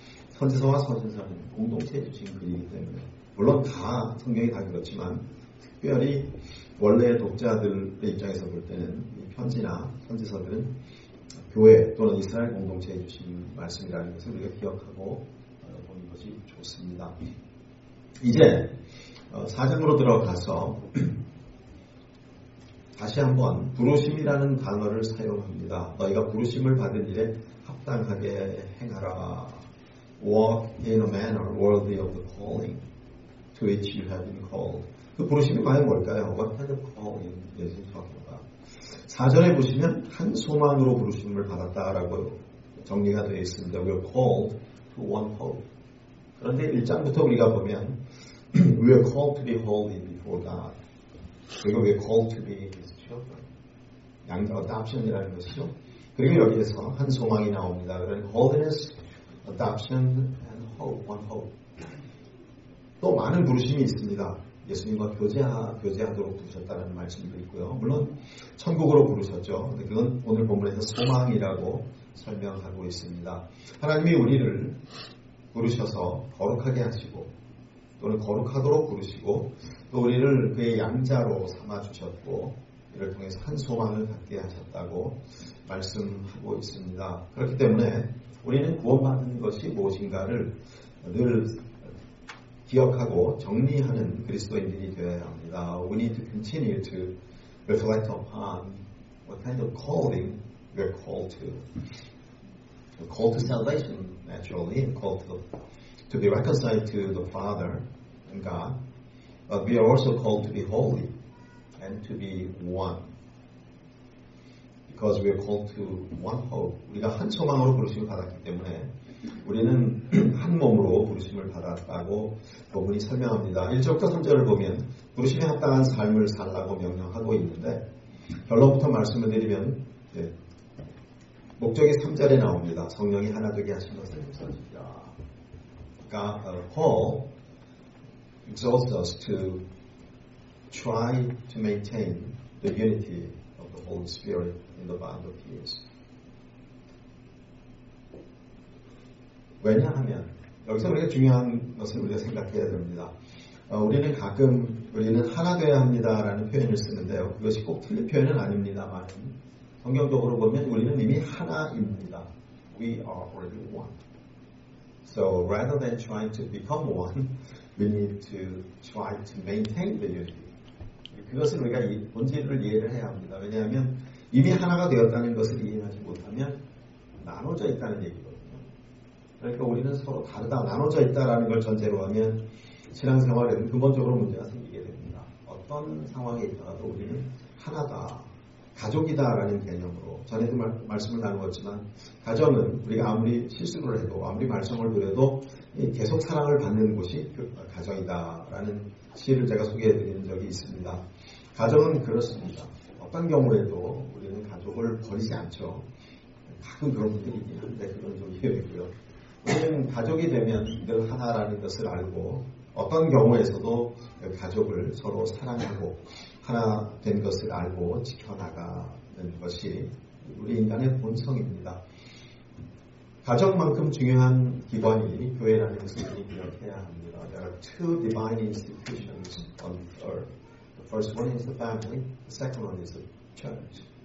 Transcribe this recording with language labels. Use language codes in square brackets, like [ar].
[ko] 선지서와 서신서는 공동체에 주신 글이기 때문에 물론 다 성경이 다 그렇지만 특별히 원래 독자들의 입장에서 볼 때는 이 편지나 선지서들은 교회 또는 이스라엘 공동체에 주신 말씀이라는 것을 우리가 기억하고 보는 것이 좋습니다. 이제 4장으로 들어가서 다시 한번 부르심이라는 단어를 사용합니다. 너희가 부르심을 받은 일에 합당하게 행하라. [en] Walk in a manner worthy of the calling to which you have been called. [ko] 그 부르심이 과연 뭘까요? [en] What kind of calling is it talking about? [ko] 4절에 보시면 한 소망으로 부르심을 받았다라고 정리가 되어 있습니다. [en] We are called to one hope. [ko] 그런데 1장부터 우리가 보면 [en] We are called to be holy before God. [ko] 그리고 [en] We are called to be His children. 양자 adoption이라는 것이죠. [ko] 그리고 여기에서 한 소망이 나옵니다. [en] Holiness, adoption, and hope. One hope. [ko] 또 많은 부르심이 있습니다. 예수님과 교제하도록 부르셨다는 말씀도 있고요. 물론 천국으로 부르셨죠. 근데 그건 오늘 본문에서 소망이라고 설명하고 있습니다. 하나님이 우리를 부르셔서 거룩하게 하시고 또는 거룩하도록 부르시고 또 우리를 그의 양자로 삼아주셨고 이를 통해서 한 소망을 갖게 하셨다고 말씀하고 있습니다. 그렇기 때문에 우리는 구원받는 것이 무엇인가를 늘 기억하고 정리하는 그리스도인들이 되어야 합니다. [en] We need to continue to reflect upon what kind of calling we're called to. We're called to salvation, naturally, and called to be reconciled to the Father and God. But we are also called to be holy and to be one. Because we're called to one hope. [ko] 우리가 한 소망으로 부르심을 받았기 때문에 우리는 한 몸으로 부르심을 받았다고 본문이 설명합니다. 1절부터 3절을 보면 부르심에 합당한 삶을 살라고 명령하고 있는데 결론부터 말씀을 드리면 네. 목적이 3절에 나옵니다. 성령이 하나 되게 하신 것을 감사합니다. 그러니까 [en] Paul exhorts us to try to maintain the unity of the Holy Spirit in the bond of peace. [ko] 왜냐하면 여기서 우리가 중요한 것을 우리가 생각해야 됩니다. 우리는 가끔 우리는 하나 되어야 합니다라는 표현을 쓰는데요. 그것이 꼭 틀린 표현은 아닙니다만 성경적으로 보면 우리는 이미 하나입니다. We are already one. So rather than trying to become one, we need to try to maintain the unity. 그것을 우리가 이 본질을 이해를 해야 합니다. 왜냐하면 이미 하나가 되었다는 것을 이해하지 못하면 나눠져 있다는 얘기죠. 그러니까 우리는 서로 다르다, 나눠져 있다라는 걸 전제로 하면 신앙생활에는 근본적으로 문제가 생기게 됩니다. 어떤 상황에 있더라도 우리는 하나다, 가족이다라는 개념으로 전에도 말씀을 나누었지만 가정은 우리가 아무리 실수를 해도 아무리 말썽을 부려도 계속 사랑을 받는 곳이 가정이다라는 시를 제가 소개해드린 적이 있습니다. 가정은 그렇습니다. 어떤 경우에도 우리는 가족을 버리지 않죠. 가끔 그런 분들이 있긴 한데 그건 좀 이해되고요. 우리는 가족이 되면 늘 하나라는 것을 알고 어떤 경우에서도 가족을 서로 사랑하고 하나 된 것을 알고 지켜나가는 것이 우리 인간의 본성입니다. 가족만큼 중요한 기관이 교회라는 것을 기억해야 합니다. [en] There are two divine institutions on earth. The first one is the family, the second one is the church.